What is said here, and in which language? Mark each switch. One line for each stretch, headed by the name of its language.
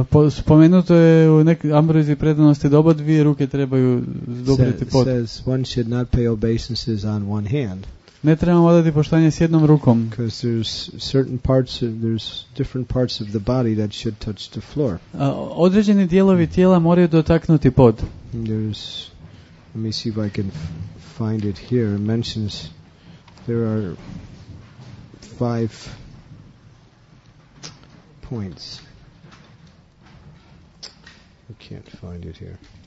Croatian: Spomenuto je u Ambrozi predanosti da oba dvije ruke trebaju zdobriti pod.
English: It says one should not pay obeisances on one hand.
Croatian: Ne trebamo odati poštovanje s jednom rukom.
English: Because there's different parts of the body that should touch the floor.
Croatian: Određeni dijelovi tijela moraju dotaknuti pod.
English: There's, let me see if I can find it here, it mentions there are five points. I can't find it here.